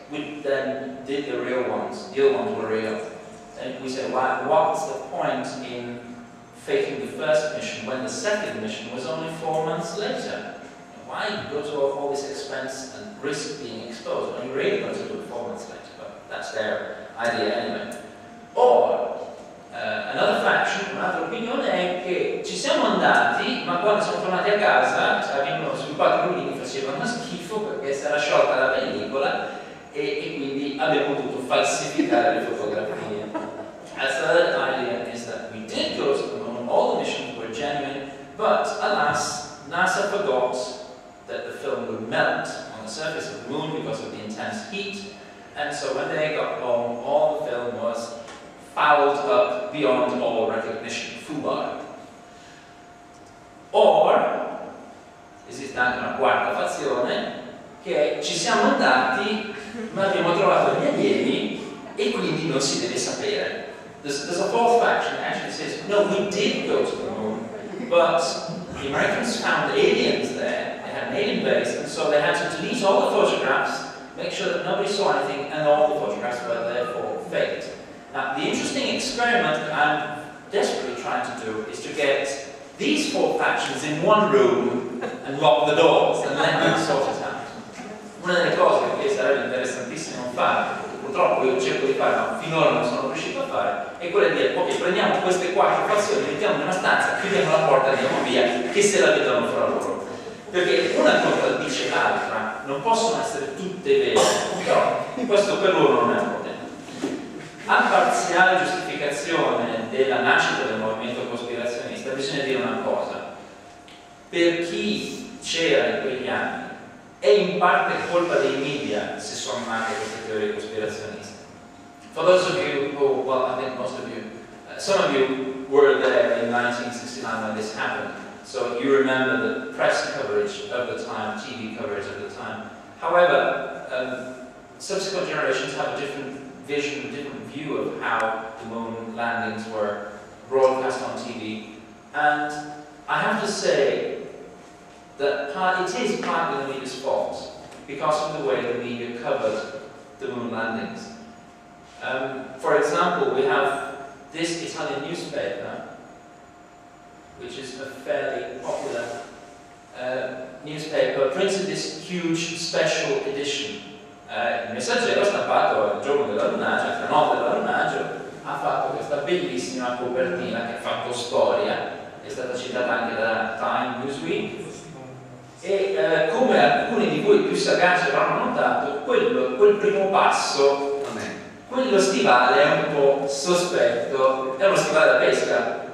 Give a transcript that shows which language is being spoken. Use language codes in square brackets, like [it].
[en] We then did the real ones, the other ones were real. And we say, well, what's the point in faking the first mission when the second mission was only 4 months later? Why go to all this expense and risk being exposed when you're really going to do a 4 months later? But that's their idea anyway. Or another faction, [it] un'altra opinione è che ci siamo andati, ma quando siamo tornati a casa abbiamo sviluppato un video che faceva uno schifo perché si era sciolta la pellicola e quindi abbiamo dovuto falsificare le fotografie. [en] That's another idea is that we did go to the moon, all the missions were genuine, but alas, NASA forgot that the film would melt on the surface of the moon because of the intense heat, and so when they got home, all the film was fouled up beyond all recognition, fubar. [it] Or, esiste anche una quarta fazione, che ci siamo andati, ma abbiamo trovato gli alieni, e quindi non si deve sapere. [en] There's a fourth faction that actually says, no, we did go to the moon, but the Americans found aliens there, an alien base, and so they had to delete all the photographs, make sure that nobody saw anything, and all the photographs were therefore faked. Now, the interesting experiment I'm desperately trying to do is to get these four factions in one room and lock the doors and let them sort it out. One of the [it] cose che è stato interessantissimo fare purtroppo io cerco di fare, ma finora non sono riuscito a fare, è quella di dire, ok, prendiamo queste quattro passioni, mettiamo in una stanza, chiudiamo la porta e andiamo via, che se la vedono fra loro. Perché una contraddice l'altra, non possono essere tutte vere, però questo per loro non è un problema. A parziale giustificazione della nascita del movimento cospirazionista bisogna dire una cosa. Per chi c'era in quegli anni, è in parte colpa dei media se sono nate queste teorie cospirazioniste. [en] For those of you who, well, I think most of you, some of you were there in 1969 when this happened, so you remember the press coverage of the time, TV coverage of the time. However, subsequent generations have a different vision, a different view of how the moon landings were broadcast on TV, and I have to say, that part, it is partly the media's fault because of the way the media covered the moon landings. For example, we have this Italian newspaper, which is a fairly popular newspaper, printed this huge special edition. [it] Il messaggero stampato il giorno dell'allunaggio, la notte dell'allunaggio, ha fatto questa bellissima copertina che ha fatto storia, è stata citata anche da Time, Newsweek. E come alcuni di voi più sagaci avranno notato, quel primo passo, quello stivale è un po' sospetto, è uno stivale da pesca.